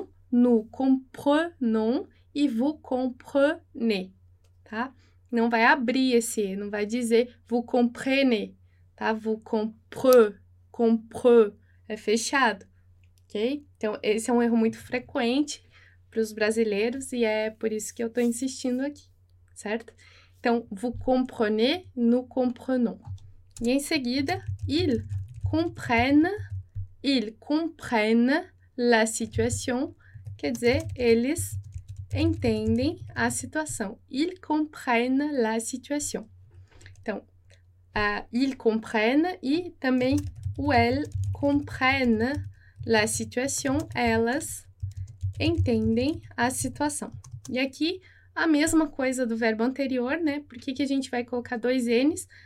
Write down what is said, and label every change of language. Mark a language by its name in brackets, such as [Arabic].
[French] Nous comprenons e vous comprenez, [Portuguese] tá? Não vai abrir esse E, não vai dizer [French] vous comprenez, [Portuguese] tá? [French] Vous comprenez, [Portuguese] é fechado, ok? Então, esse é um erro muito frequente para os brasileiros e é por isso que eu estou insistindo aqui, certo? Então, [French] vous comprenez, nous comprenons. [Portuguese] E em seguida, [French] ils comprennent la situation, [Portuguese] quer dizer, eles entendem a situação. [French] Ils comprennent la situation. [Portuguese] Então, [French] ils comprennent [Portuguese] e também ou [French] elles comprennent la situation. [Portuguese] Elas entendem a situação. E aqui, a mesma coisa do verbo anterior, né? Por que que a gente vai colocar dois N's?